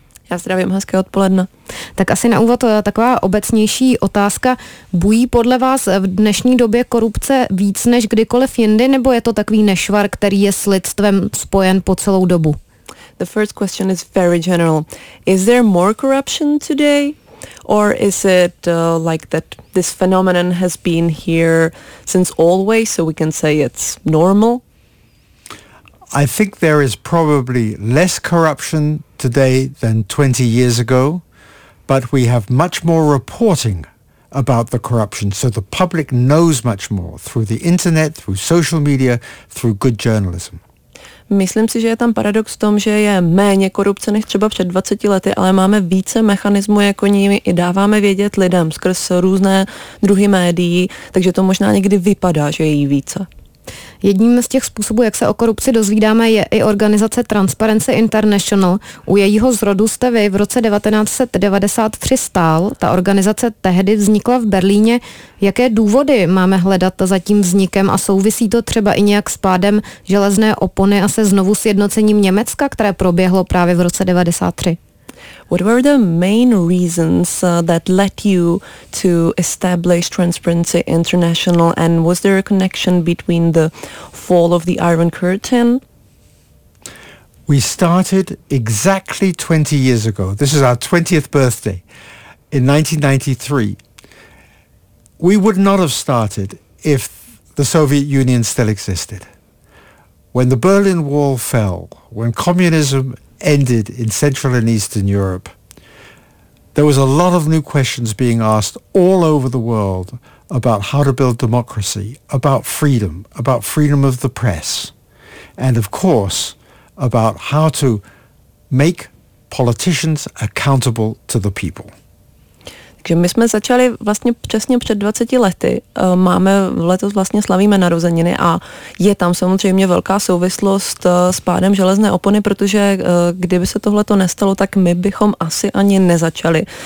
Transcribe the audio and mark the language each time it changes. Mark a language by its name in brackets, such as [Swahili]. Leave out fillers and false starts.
[Czech] Já zdravím, hezké odpoledne. Tak asi na úvod taková obecnější otázka. Bují podle vás v dnešní době korupce víc než kdykoliv jindy, nebo je to takový nešvar, který je s lidstvem spojen po celou dobu? [English] The first question is very general. Is there more corruption today? Or is it like that this phenomenon has been here since always, so we can say it's normal? I think there is probably less corruption today than 20 years ago, but we have much more reporting about the corruption, so the public knows much more through the internet, through social media, through good journalism. [Czech] Myslím si, že je tam paradox v tom, že je méně korupce než třeba před 20 lety, ale máme více mechanismů jako nimi i dáváme vědět lidem skrz různé druhy médií, takže to možná někdy vypadá, že je jí více. Jedním z těch způsobů, jak se o korupci dozvídáme, je i organizace Transparency International. U jejího zrodu jste vy v roce 1993 stál. Ta organizace tehdy vznikla v Berlíně. Jaké důvody máme hledat za tím vznikem a souvisí to třeba i nějak s pádem železné opony a se znovu sjednocením Německa, které proběhlo právě v roce 1993? [English] What were the main reasons that led you to establish Transparency International, and was there a connection between the fall of the Iron Curtain? We started exactly 20 years ago. This is our 20th birthday in 1993. We would not have started if the Soviet Union still existed. When the Berlin Wall fell, when communism ended in Central and Eastern Europe, there was a lot of new questions being asked all over the world about how to build democracy, about freedom of the press, and of course, about how to make politicians accountable to the people. [Czech] Takže my jsme začali vlastně přesně před 20 lety, máme letos vlastně slavíme narozeniny a je tam samozřejmě velká souvislost s pádem železné opony, protože kdyby se tohleto nestalo, tak my bychom asi ani nezačali.